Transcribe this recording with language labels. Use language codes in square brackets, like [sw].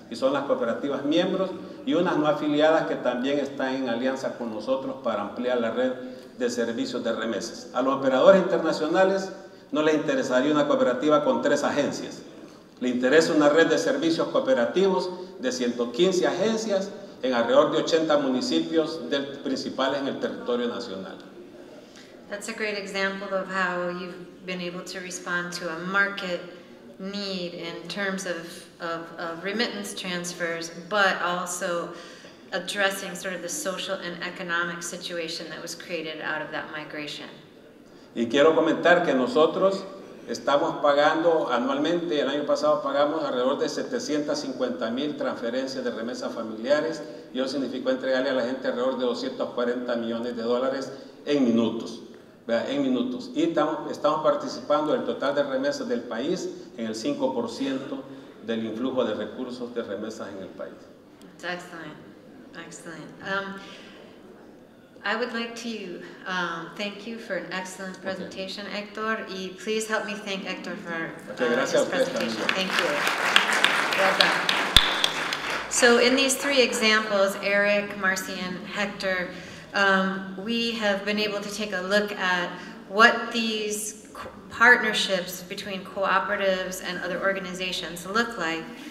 [es] Y son las cooperativas miembros y unas no afiliadas que también están en alianza con nosotros para ampliar la red de servicios de remesas. A los operadores internacionales no les interesaría una cooperativa con 3 agencias. Le interesa una red de servicios cooperativos de 115 agencias en alrededor de 80 municipios principales en el territorio nacional. [en] That's a great example of how you've been able to respond to a market need in terms of remittance transfers, but also addressing sort of the social and economic situation that was created out of that migration. [es] Y quiero comentar que nosotros estamos pagando anualmente, el año pasado pagamos alrededor de 750 mil transferencias de remesas familiares, y eso significó entregarle a la gente alrededor de 240 millones de dólares en minutos. Y estamos participando en el total de remesas del país en el 5% del influjo de recursos de remesas en el país. [en] That's excellent. I would like to thank you for an excellent presentation, okay. Héctor, y please help me thank Héctor for his presentation. Thank you. Well done. So in these 3 examples, Eric, Marcy, and Héctor, we have been able to take a look at what these partnerships between cooperatives and other organizations look like.